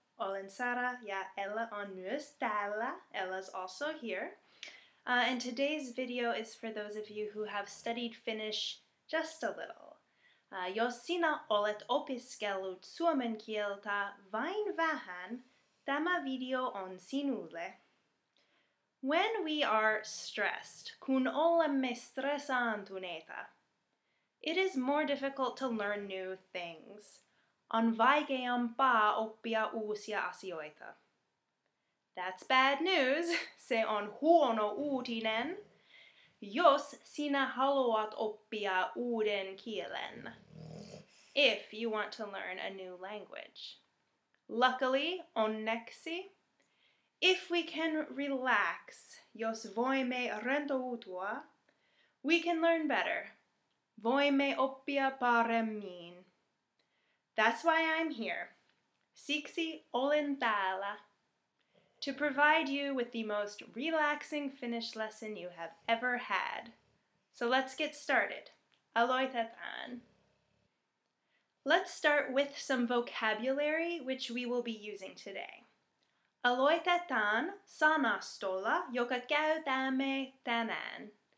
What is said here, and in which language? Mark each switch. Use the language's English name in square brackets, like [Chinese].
[Finnish] Olen Sara ja Ella on myös täällä. [English] Ella's also here. And today's video is for those of you who have studied Finnish just a little. [Finnish] Jos sinä olet opiskellut suomen kieltä vain vähän, tämä video on sinulle. [English] When we are stressed, [Finnish] kun olemme stressaantuneita, [English] it is more difficult to learn new things. [Finnish] On vaikeampaa oppia uusia asioita. [English] That's bad news. [Finnish] Se on huono uutinen. Jos sinä haluat oppia uuden kielen. [English] If you want to learn a new language. Luckily, onneksi. If we can relax, [Finnish] jos voimme rentoutua, [English] we can learn better. [Finnish] Voimme oppia paremmin. [English] That's why I'm here. [Finnish] Siksi olen täällä. [English] To provide you with the most relaxing Finnish lesson you have ever had. So let's get started. [Finnish] Aloitetaan. [English] Let's start with some vocabulary which we will be using today. [Finnish] Aloitetaan sanastolla, joka käytämme tänään.